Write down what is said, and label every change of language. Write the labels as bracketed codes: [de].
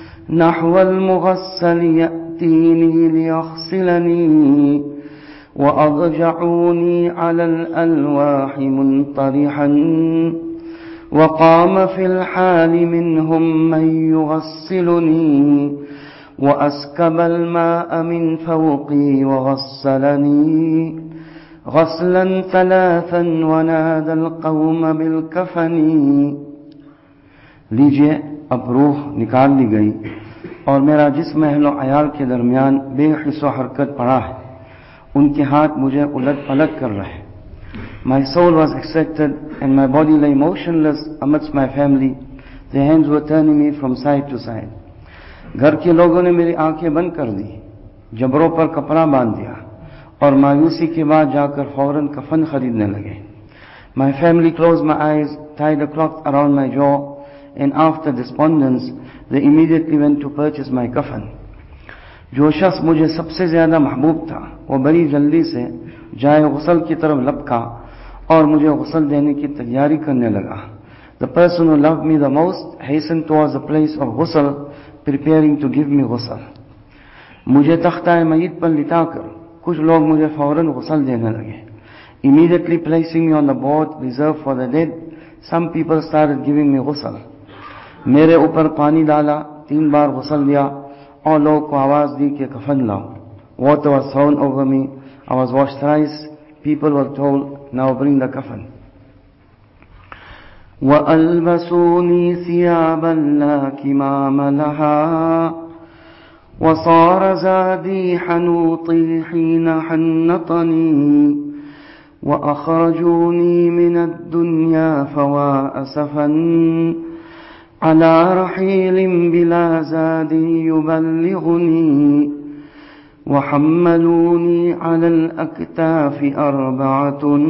[ar] نحو المغسل يأتيني ليغسلني وأضجعوني على الألواح منطرحا وقام في الحال منهم من يغسلني وأسكب الماء من فوقي وغسلني غسلا ثلاثا ونادى القوم بالكفن. [ur] لجئ اب روح نکال لی گئی اور میرا جسم اہل و عیال کے درمیان بے حس و حرکت پڑا ہے. ان کے ہاتھ مجھے الٹ پلٹ کر رہے ہیں. [en] My soul was extracted and my body lay motionless amidst my family. Their hands were turning me from side to side. [ur] گھر کے لوگوں نے میری آنکھیں بند کر دی, جبروں پر کپڑا باندھ دیا اور مایوسی کے بعد جا کر فوراً کفن خریدنے لگے. [en] My family closed my eyes, tied a cloth around my jaw, and after despondence, they immediately went to purchase my coffin. [ur] جو شخص مجھے سب سے زیادہ محبوب تھا وہ بڑی جلدی سے جائے غسل کی طرف لپکا اور مجھے غسل دینے کی تیاری کرنے لگا. [en] The person who loved me the most hastened towards the place of غسل, preparing to give me غسل. [ur] مجھے تختہ میت پر لٹا کر کچھ لوگ مجھے فوراً غسل دینے لگے. [en] Immediately placing me on the board reserved for the dead, some people started giving me غسل. [ur] میرے اوپر پانی ڈالا, تین بار غسل دیا اور لوگ کو آواز دی کہ کفن لاؤ. [en] Water was thrown over me, I was washed thrice, people were told, now bring the coffin. [ar] وَأَلْبَسُونِي ثِيَابًا لَا كِمَامَ لَهَا وَصَارَ زَادِي حَنُوطِي حِينَ حَنَّطَنِي وَأَخْرَجُونِي مِنَ الدُّنْيَا فَوَا أَسَفًا على رحيل بلا زاد يبلغني وحملوني على الأكتاف أربعة